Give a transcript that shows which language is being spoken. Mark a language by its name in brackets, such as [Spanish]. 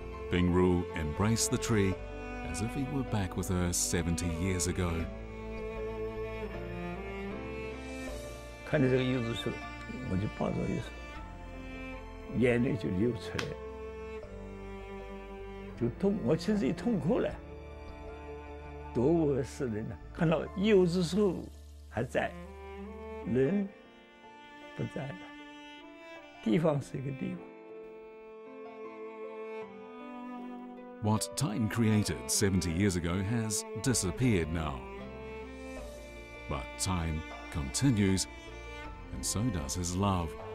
[English] Ping Ru embraced the tree as if he were back with her 70 years ago. [Chinese] 看着这个柚子树，我就抱着柚子树。眼泪就流出来，就痛，我甚至痛哭了。多无事人呐，看到柚子树还在，人不在了，地方是一个地方。 [English] What time created 70 years ago has disappeared now. But time continues, and so does his love.